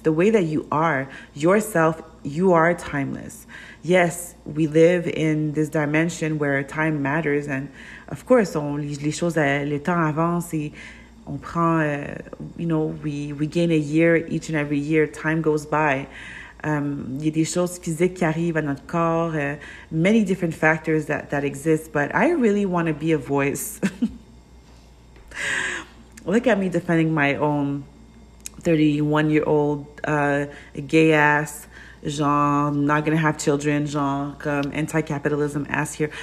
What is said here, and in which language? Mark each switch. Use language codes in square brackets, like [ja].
[en] The way that you are yourself, you are timeless. Yes, we live in this dimension where time matters, and of course, [fr] les choses, le temps avance, et on prend, [en] you know, we gain a year each and every year. Time goes by. [fr] Il y a des choses physiques qui arrivent à notre corps. [en] Many different factors that exist, but I really want to be a voice. Look at me defending my own 31-year-old gay ass. Genre, not gonna have children, genre, anti-capitalism ass here.